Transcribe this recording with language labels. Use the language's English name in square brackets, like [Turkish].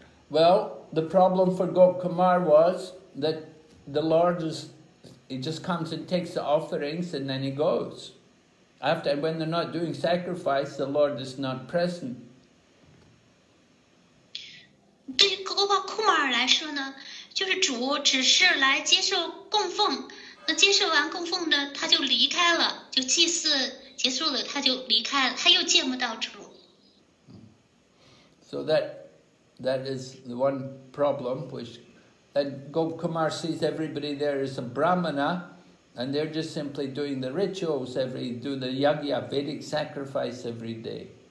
[English] Well, the problem for Gop Kumar was that the Lord he just comes and takes the offerings and then he goes. After, when they're not doing sacrifice, the Lord is not present. [Chinese] 对于 Gopa Kumar 来说呢，就是主只是来接受供奉，那接受完供奉呢，他就离开了，就祭祀结束了，他就离开了，他又见不到主。 [English] So that is the one problem which, and Gopa Kumar sees everybody there is a Brahmana, and they're just simply doing the rituals every, do the yagya, Vedic sacrifice every day.